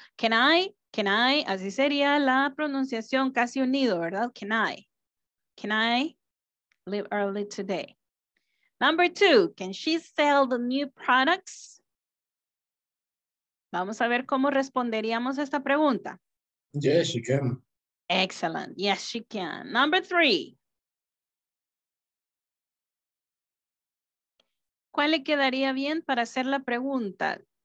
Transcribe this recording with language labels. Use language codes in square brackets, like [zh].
[en] Can I, [es] así sería la pronunciación casi unido, ¿verdad? [en] Can I leave early today? Number two, can she sell the new products? [es] Vamos a ver cómo responderíamos a esta pregunta. [en] Yes, she can. Excellent. Yes, she can. Number three. [es] ¿Cuál le quedaría bien para hacer la pregunta?